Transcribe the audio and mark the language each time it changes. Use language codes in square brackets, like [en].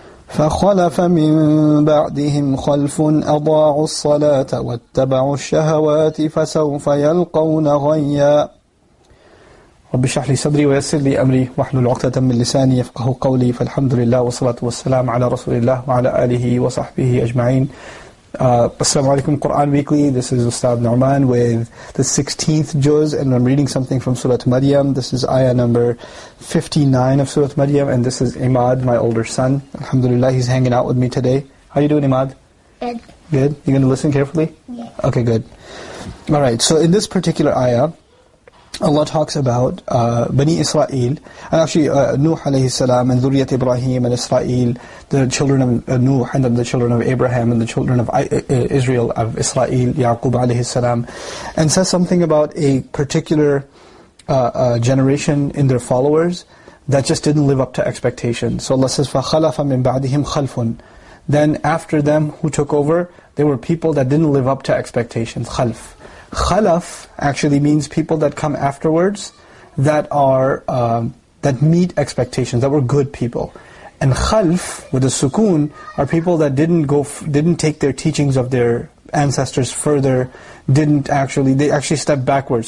[ar] فخلف من بعدهم خلف أضاعوا الصلاة واتبعوا الشهوات فسوف يلقون غيا رب اشرح لي صدري ويسر لي أمري واحلل عقدة من لساني يفقه قولي فالحمد لله والصلاة والسلام على رسول الله وعلى آله وصحبه أجمعين السلام عليكم Quran Weekly. [en] This is Ustad Norman with the 16th juz, and I'm reading something from Surah Maryam. This is ayah number 59 of Surah Maryam, and this is Imad, my older son. Alhamdulillah, he's hanging out with me today. How are you doing, Imad? Good. You going to listen carefully? Yeah. Okay, good. All right, so in this particular ayah, Allah talks about Bani Israel, and actually Nuh alayhi salam and Zuriyat Ibrahim and Israel, the children of Nuh and then the children of Abraham and the children of Israel, of Israel, Yaqub alayhi salam, and says something about a particular generation in their followers that just didn't live up to expectations. So Allah says, [ar] فَخَلَفَ مِن بَعْدِهِمْ خَلْفٌ. [en] Then after them who took over, they were people that didn't live up to expectations, خَلْف. Khalaf actually means people that come afterwards that are that meet expectations, that were good people. And khalf, with a sukoon, are people that didn't take their teachings of their ancestors further, they actually stepped backwards.